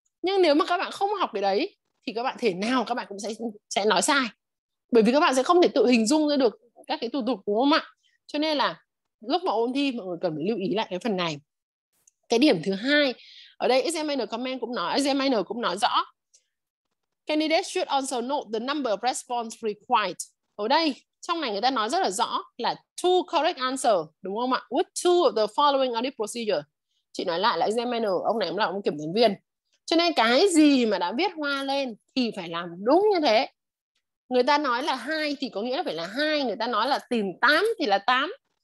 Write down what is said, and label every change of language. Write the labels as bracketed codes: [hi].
[vi] Nhưng nếu mà các bạn không học cái đấy thì các bạn thể nào các bạn cũng sẽ nói sai. Bởi vì các bạn sẽ không thể tự hình dung ra được các cái thủ tục, đúng không ạ? Cho nên là lúc mà ôn thi mọi người cần phải lưu ý lại cái phần này. Cái điểm thứ hai, ở đây examiner comment cũng nói, examiner cũng nói rõ. [en] Candidate should also note the number of response required. [vi] Ở đây, trong này người ta nói rất là rõ là [en] two correct answer, [vi] đúng không ạ? [en] With two of the following audit procedure. [vi] Chị nói lại là examiner, ông này cũng là ông kiểm toán viên. Cho nên cái gì mà đã viết hoa lên thì phải làm đúng như thế. Người ta nói là hai thì có nghĩa là phải là hai, người ta nói là tìm 8 thì là 8.